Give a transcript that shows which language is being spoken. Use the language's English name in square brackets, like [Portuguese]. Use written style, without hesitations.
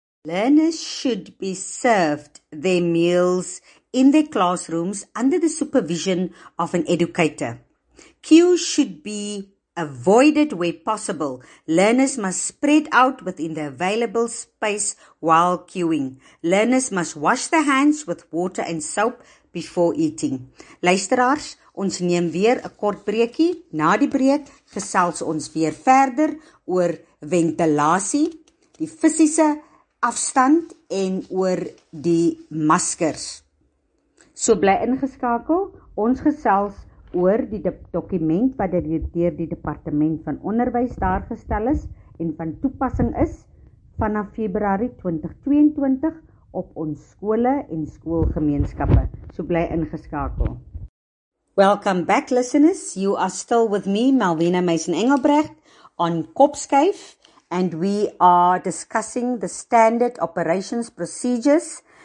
[English] Learners should be served their meals in their classrooms under the supervision of an educator. Queues should be avoided where possible. Learners must spread out within the available space while queuing. Learners must wash their hands with water and soap before eating. [Afrikaans] Luisteraars, ons neem weer 'n kort breekie. Na die breek gesels ons weer verder oor ventilasie, die fisiese afstand en oor die maskers. So bly ingeskakel. Ons gesels oor die dokument wat deur die Departement van Onderwys daar gestel is en van toepassing is vanaf Februarie 2022 op ons skole en skoolgemeenskappe. So bly ingeskakel. [English] Welcome back listeners. You are still with me, Malvina Mason Engelbrecht, on Kopskuif, and we are discussing the Standard Operations Procedures.